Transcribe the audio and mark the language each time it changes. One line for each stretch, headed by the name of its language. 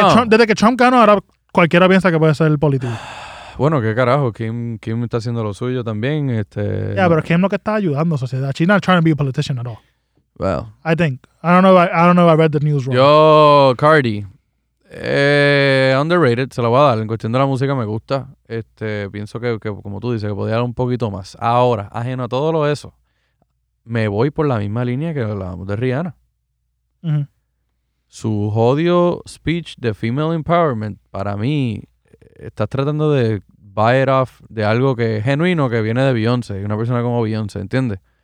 Spanish: Que Trump, desde que Trump ganó, ahora cualquiera piensa que puede ser el político. Bueno, qué carajo, Kim está haciendo lo suyo también. Yeah, pero Kim lo que está ayudando a la sociedad.
English: She's not trying to be a politician at all. Well. I think. I don't know if I read the news wrong. Yo, Cardi.
Spanish: Underrated, se la voy a dar. En cuestión de la música me gusta. Pienso que como tú dices, que podía dar un poquito más. Ahora, ajeno a todo lo eso, me voy por la misma línea que hablábamos de Rihanna. Uh-huh. Su jodido speech de
English: female empowerment,
Spanish: para mí, estás tratando de
English: buy it off
Spanish: de algo que es genuino, que viene de Beyoncé, una persona como Beyoncé, ¿entiendes?